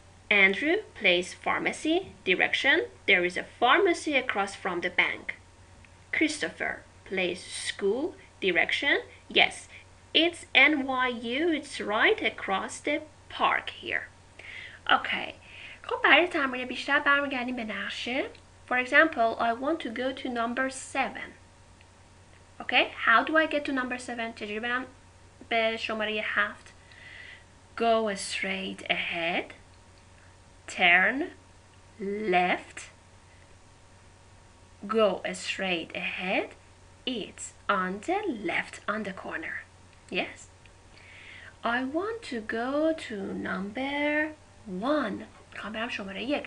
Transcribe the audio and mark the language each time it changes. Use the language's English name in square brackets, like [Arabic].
[English] Andrew, place, pharmacy, direction, there is a pharmacy across from the bank. Christopher, place, school, direction, yes, it's NYU, it's right across the park here. Okay, [Persian] خب برای تمرین بیشتر برمیگردیم به نقشه. [English] For example, I want to go to number 7. Okay, how do I get to number 7? [Persian] چجوری برم به شماره 7؟ [English] Go straight ahead. Turn left, go straight ahead, it's on the left, on the corner. Yes? I want to go to number 1. [Persian] میخوام برم شماره 1.